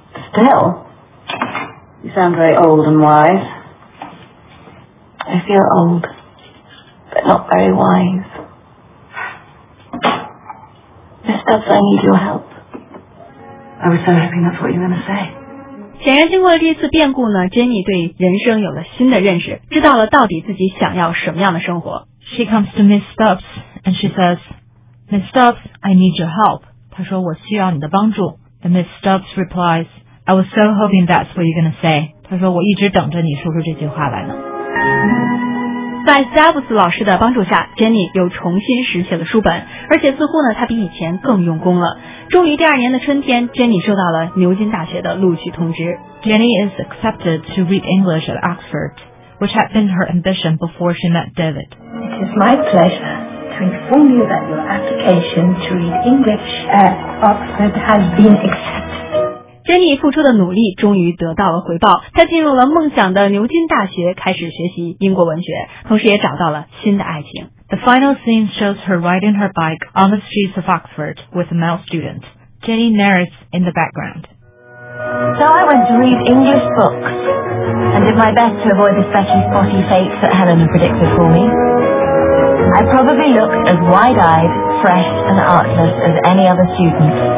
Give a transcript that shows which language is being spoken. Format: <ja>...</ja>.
<en>Still? You sound very old and wise. I feel old, but not very wise. Miss Stubbs, I need your help. I was so hoping that's what you were going to say.</en> <zh>显然经过了这次变故呢， Jenny 对人生有了新的认识，知道了到底自己想要什么样的生活。</zh> <en>She comes to Miss Stubbs and she says, Miss Stubbs, I need your help.</en> <zh>她说我需要你的帮助。</zh> <en>And Miss Stubbs replies,I was so hoping that's what you're going to say.</en> <zh>他说我一直等着你说出这句话来呢。在 Stubbs 老师的帮助下， Jenny 又重新拾起了书本，而且似乎呢他比以前更用功了。终于第二年的春天， Jenny 收到了牛津大学的录取通知。</zh> <en>Jenny is accepted to read English at Oxford, which had been her ambition before she met David. It is my pleasure to inform you that your application to read English at Oxford has been accepted.</en> <zh>珍妮付出的努力终于得到了回报，她进入了梦想的牛津大学，开始学习英国文学，同时也找到了新的爱情。</zh> <en>The final scene shows her riding her bike on the streets of Oxford with a male student. Jenny narrates in the background. So I went to read English books and did my best to avoid the fleshy spotty fate that Helen had predicted for me. I probably looked as wide-eyed, fresh and artless as any other student.</en>